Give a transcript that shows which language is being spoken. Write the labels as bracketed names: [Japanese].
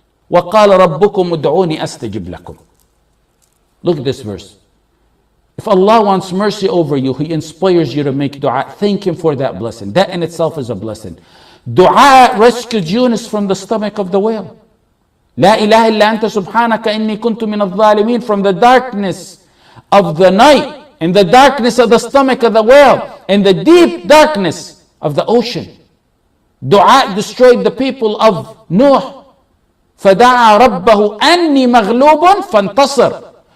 [Arabic] وَقَالَ رَبُّكُمْ اُدْعُونِي أَسْتَجِبْ لَكُمْ. [English] Look at this verse. If Allah wants mercy over you, he inspires you to make dua. Thank him for that blessing. That in itself is a blessing. Dua rescued Yunus from the stomach of the whale. [Arabic] لا إله إلا أنت سبحانك إني كنت من الظالمين. [English] From the darkness of the night, in the darkness of the stomach of the whale, in the deep darkness of the ocean. Dua destroyed the people of Nuh. [Arabic] فَدَعَى رَبَّهُ أَنِّي مَغْلُوبٌ فَانْتَصَرْ.